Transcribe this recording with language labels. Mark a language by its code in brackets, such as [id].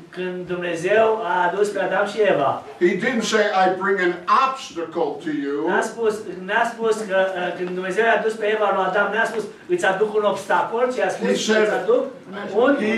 [ro] când Dumnezeu a adus pe Adam și Eva, [en] He didn't say I bring an obstacle to you. [ro] N-a spus că când Dumnezeu a adus pe Eva la Adam, n-a spus îți aduc un obstacol, ci a spus îți aduc un